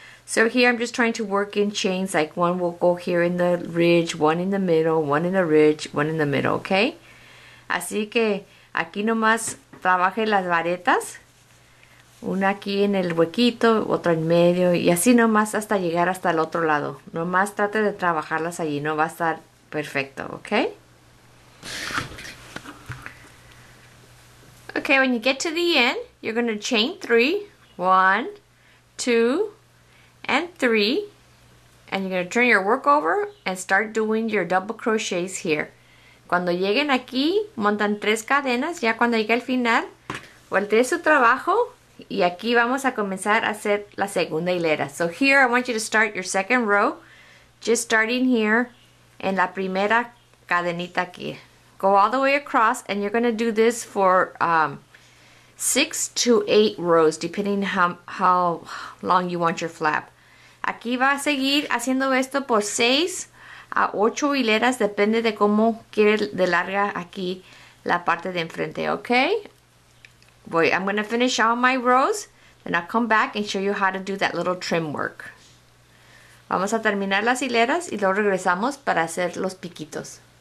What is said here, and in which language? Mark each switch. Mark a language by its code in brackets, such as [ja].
[en] So here I'm just trying to work in chains, like one will go here in the ridge, one in the middle, one in the ridge, one in the middle, okay? [es] Así que aquí nomás trabaje las varetas. Una aquí en el huequito, otra en medio, y así nomás hasta llegar hasta el otro lado. Nomás trate de trabajarlas allí, no va a estar perfecto, okay? [en] Okay, when you get to the end, you're gonna chain three, 1, 2, and 3, and you're gonna turn your work over and start doing your double crochets here. [es] Cuando lleguen aquí, montan tres cadenas, ya cuando llegue al final, voltee su trabajo, y aquí vamos a comenzar a hacer la segunda hilera. [en] So here, I want you to start your second row, just starting here, [es] en la primera cadenita aquí. [en] Go all the way across, and you're gonna do this for 6 to 8 rows, depending how long you want your flap. [es] Aquí va a seguir haciendo esto por 6 a 8 hileras, depende de cómo quiere de larga aquí la parte de enfrente, okay? [en] I'm gonna finish all my rows, then I'll come back and show you how to do that little trim work. [es] Vamos a terminar las hileras y luego regresamos para hacer los piquitos.